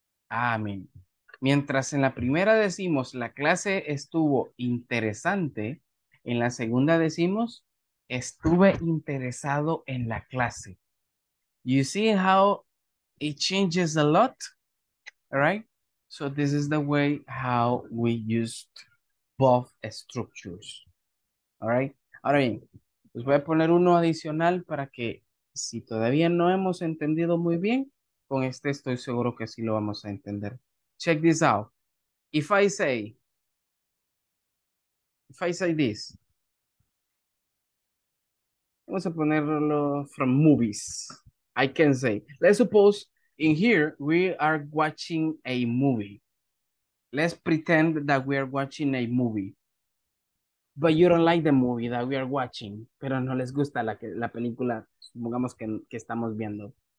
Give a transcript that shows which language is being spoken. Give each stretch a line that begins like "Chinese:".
English: I mean,
Spanish: mientras en la primera decimos la clase estuvo interesante, en la segunda decimos estuve interesado en la clase.
English: You see how it changes a lot, right? So this is the way how we used both structures, all right?
Spanish: Ahora bien, les voy a poner uno adicional para que si todavía no hemos entendido muy bien, con este estoy seguro que sí lo vamos a entender.
English: Check this out. If I say this.
Spanish: Vamos a ponerlo
English: from movies. I can say. Let's suppose in here we are watching a movie. Let's pretend that we are watching a movie. But you don't like the movie that we are watching.
Spanish: Pero no les gusta la película, supongamos que estamos viendo.